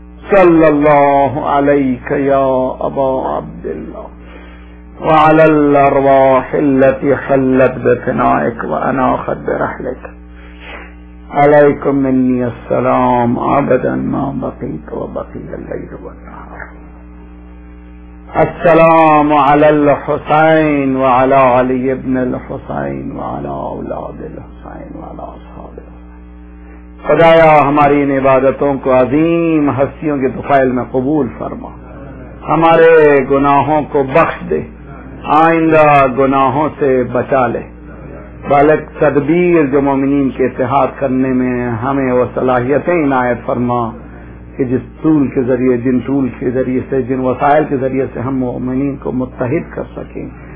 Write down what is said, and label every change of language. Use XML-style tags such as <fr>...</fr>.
<ar>صلی اللہ علیک یا ابا عبداللہ وعلى الارواح التي حلت بفنائك وانا اخذ برحلك عليكم مني السلام ابدا ما بقيت وبقي الليل والنهار. السلام على الحسين وعلى علي بن الحسين وعلى اولاد الحسين وعلى اصحاب الحسين.</ar> <ur>خدایا ہماری ان عبادتوں کو عظیم ہستیوں کے طفیل میں قبول فرما, ہمارے گناہوں کو بخش دے, آئندہ گناہوں سے بچا لے, بلکہ تدبیر جو مومنین کے اتحاد کرنے میں ہمیں وہ صلاحیتیں عنایت فرما کہ جس طول کے ذریعے, جن طول کے ذریعے سے, جن وسائل کے ذریعے سے ہم مومنین کو متحد کر سکیں.</ur>